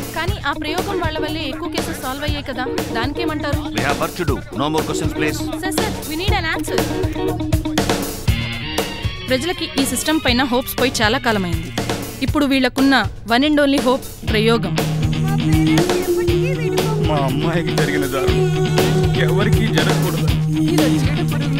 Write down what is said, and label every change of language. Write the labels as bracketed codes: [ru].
[te] కానీ ఆ ప్రయోగం వాళ్ళ వల్లే ఎక్కువ కేసెస్ సాల్వ్ అయ్యాయి కదా, దానికి ఏమంటారు? [en] We have work to do. No more questions, please. Sir, sir, we need an answer. [te] ప్రజలకి ఈ సిస్టమ్ పైన హోప్స్ పోయి చాలా కాలమైంది. ఇప్పుడు వీళ్ళకున్న వన్ అండ్ ఓన్లీ హోప్ ప్రయోగం. మా అమ్మాయికి జరిగిన దారుణం ఎవరికి జరగకూడదు.